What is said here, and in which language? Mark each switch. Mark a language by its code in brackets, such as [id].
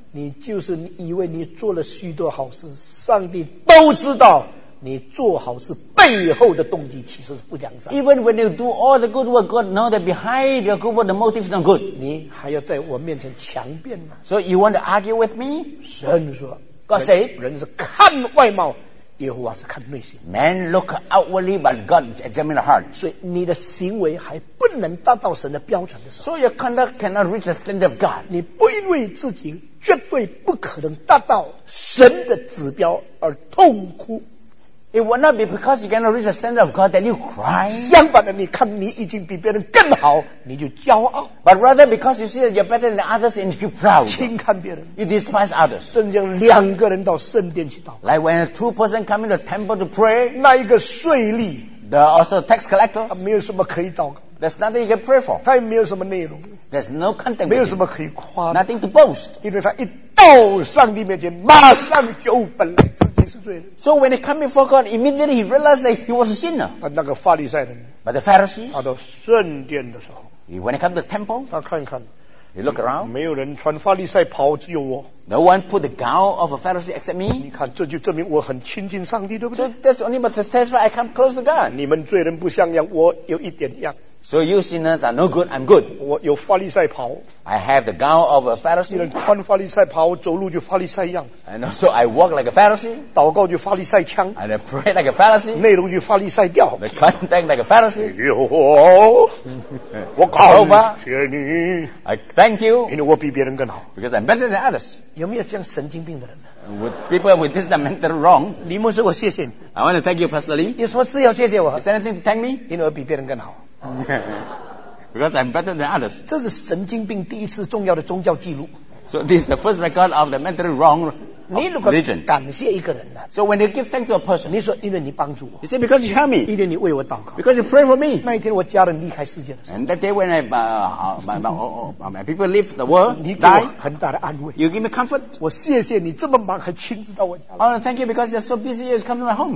[zh] 你就是以为你做了许多好事，上帝都知道你做好事背后的动机其实是不良善。 [en] Even when you do all the good work, God knows that behind your good work, the motive is not good. [zh] 你还要在我面前强辩吗？ [en] So you want to argue with me? [zh] 神说， [en] God say, [zh] 人是看外貌，耶和华是看内心。 [en] Man look outwardly, but God examine the heart. [zh] 所以你的行为还不能达到神的标准的时候， [en] so your conduct cannot reach the standard of God. [zh] 你不因为自己绝对不可能达到神的指标而痛哭。 [en] It will not be because you cannot reach the standard of God that you cry. [zh] 相反的，你看你已经比别人更好，你就骄傲。 [en] But rather because you see that you're better than others and you feel proud. [zh] 轻看别人。 [en] You despise others. [zh] 甚至两个人到圣殿去祷。 [en] Like when two person come into the temple to pray. [zh] 那一个税吏。 [en] The also tax collector. [zh] 他没有什么可以祷告。 [en] There's nothing you can pray for. [zh] 他也没有什么内容。 [en] There's no content. [zh] 没有什么可以夸。 [en] Nothing to boast. [zh] 因为他一到上帝面前，马上就本来。 [en] So when he came before God, immediately he realized that he was a sinner. [zh] But 那个法利赛人， [en] but the Pharisees, [zh] 他到圣殿的时候， [en] when he came to the temple, [zh] 他看一看， [en] he looked around, [zh] 没有人穿法利赛袍，只有我。 [en] No one put the gown of a Pharisee except me. [zh] 你看，这就证明我很亲近上帝，对不对？ [en] So that's only but to testify I come close to God. [zh] 你们罪人不像样，我有一点样。 [en] So you sinners are no good, I'm good. [zh] 我有法利赛袍。 [en] I have the gown of a Pharisee. [zh] 人穿法利赛袍，走路就法利赛样。 [en] And so I walk like a Pharisee. [zh] 祷告就法利赛腔。 [en] And I pray like a Pharisee. [zh] 内容就法利赛调。 [en] The content like a Pharisee. [zh] 耶和华，我感谢你。 [en] I thank you. [zh] 因为我比别人更好。 [en] Because I'm better than others. [zh] 有没有这样神经病的人呢？ [en] With people with this mental wrong. [zh] 李牧师，我谢谢你。 [en] I want to thank you, Pastor Lee. [zh] 有什么事要谢谢我？ [en] Is there anything to thank me? [zh] 因为我比别人更好。 [en] Because I'm better than others. [zh] 这是神经病第一次重要的宗教记录。 [en] So this is the first record of the mentally wrong religion. [zh] 感谢一个人呢。 [en] So when you give thanks to a person, [zh] 你说因为你帮助我。 [en] You say because you help me. [zh] 因为你为我祷告。 [en] Because you pray for me. [zh] 那一天我家人离开世界的时候。 [en] And that day when my people leave the world, [zh] 你给我很大的安慰。 [en] You give me comfort. [zh] 我谢谢你这么忙还亲自到我家。 [en] Oh, thank you because you're so busy, you're coming to my home.